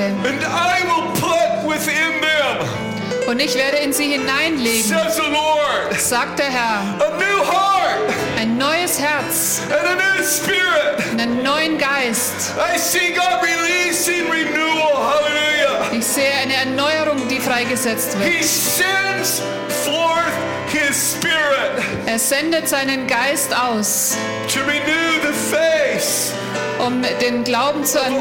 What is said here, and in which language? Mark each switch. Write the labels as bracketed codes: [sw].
[en] And I will put within them, [de] und ich werde in sie hineinlegen, [en] says the Lord, [de] sagt der Herr, [en] a new heart, [de] ein neues Herz, [en] and a new spirit, [de] und einen neuen Geist. [en] I see God releasing renewal, hallelujah. [de] Ich sehe eine Erneuerung, die freigesetzt wird. [en] He sends forth his spirit, [de] er sendet seinen Geist aus, [en] to renew the face, [de] um den Glauben zu erneuern.